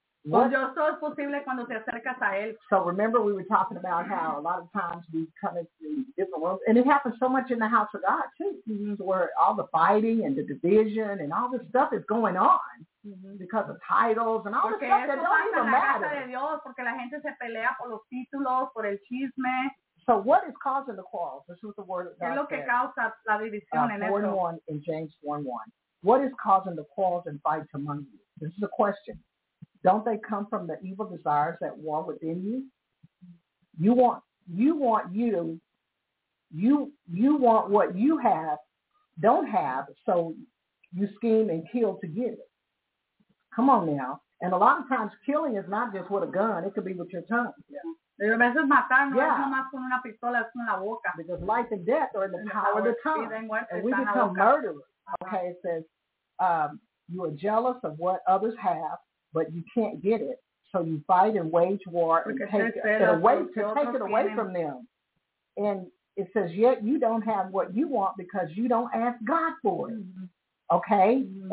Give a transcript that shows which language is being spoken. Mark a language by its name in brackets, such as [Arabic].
[English] So remember we were talking about how a lot of times we come into different worlds, and it happens so much in the house of God too, mm-hmm. where all the fighting and the division and all this stuff is going on because of titles and all [Spanish] porque [English] the stuff that don't even matter. [Spanish] De Dios, porque la gente se pelea por los títulos, por el chisme. [English] So what is causing the quarrels? This is the word that God [Spanish] es lo que [English] said. [Spanish] Causa la división en [English] 4:1 in James 1:1. What is causing the quarrels and fights among you? This is a question. Don't they come from the evil desires that war within you? You want what you have, don't have, so you scheme and kill to get it. Come on now. And a lot of times killing is not just with a gun. It could be with your tongue. Yeah. [Spanish] Pero a veces matar no es nomás con una pistola, es con la boca. [English] Because life and death are in the power of the tongue. And we become murderers. Okay, it says, you are jealous of what others have, but you can't get it. So you fight and wage war and take it away from them. And it says, yet you don't have what you want because you don't ask God for it. Mm-hmm. Okay? Mm-hmm.